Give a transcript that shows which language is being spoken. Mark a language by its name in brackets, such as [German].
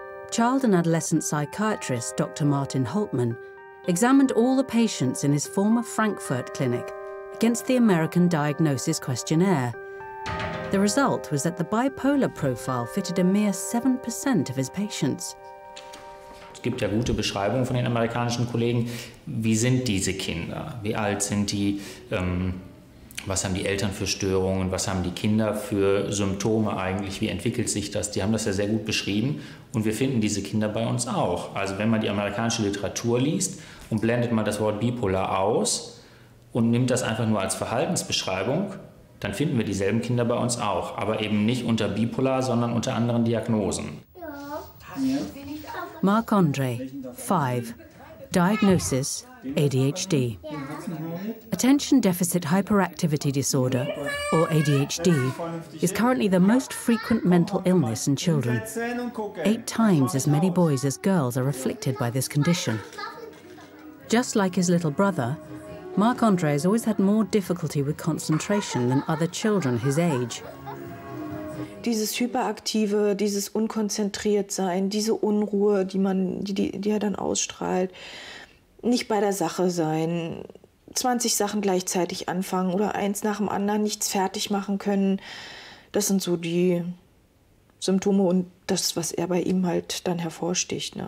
[English] Child and adolescent psychiatrist Dr. Martin Holtman examined all the patients in his former Frankfurt clinic against the American diagnosis questionnaire. The result was that the bipolar profile fitted a mere 7% of his patients. [German] Es gibt ja gute Beschreibungen von den amerikanischen Kollegen. Wie sind diese Kinder? Wie alt sind die? Was haben die Eltern für Störungen? Was haben die Kinder für Symptome eigentlich? Wie entwickelt sich das? Die haben das ja sehr gut beschrieben. Und wir finden diese Kinder bei uns auch. Also wenn man die amerikanische Literatur liest und blendet mal das Wort bipolar aus und nimmt das einfach nur als Verhaltensbeschreibung, dann finden wir dieselben Kinder bei uns auch. Aber eben nicht unter bipolar, sondern unter anderen Diagnosen. [English] Ja. Marc-André, 5. Diagnosis ADHD. Attention Deficit Hyperactivity Disorder, or ADHD, is currently the most frequent mental illness in children. 8 times as many boys as girls are afflicted by this condition. Just like his little brother, Marc-André has always had more difficulty with concentration than other children his age. [German] Dieses Hyperaktive, dieses Unkonzentriertsein, diese Unruhe, die er dann ausstrahlt, nicht bei der Sache sein, 20 Sachen gleichzeitig anfangen oder eins nach dem anderen nichts fertig machen können. Das sind so die Symptome und das, was er bei ihm halt dann hervorsticht, ne?